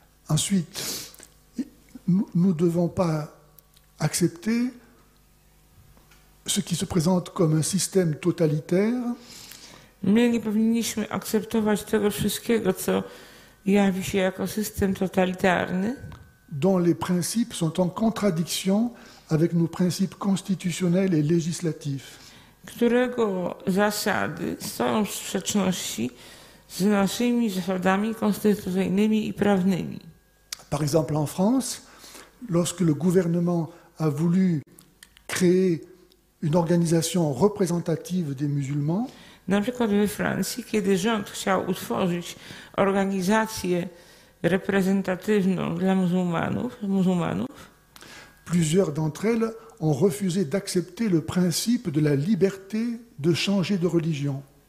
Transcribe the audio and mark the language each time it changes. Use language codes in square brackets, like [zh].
[fr] Ensuite, nous ne devons pas accepter ce qui se présente comme un système totalitaire. [pl] My nie powinniśmy akceptować tego wszystkiego, co jawi się jako system totalitarny, [fr] dont les principes sont en contradiction avec nos principes constitutionnels et législatifs. [pl] Którego zasady są w sprzeczności z naszymi zasadami konstytucyjnymi i prawnymi. [fr] Par exemple, en France, lorsque le gouvernement a voulu créer une organisation représentative des musulmans, [pl] na przykład we Francji, kiedy rząd chciał utworzyć organizację reprezentatywną dla muzułmanów, [fr] plusieurs d'entre elles ont refusé d'accepter le principe de la liberté de changer de religion.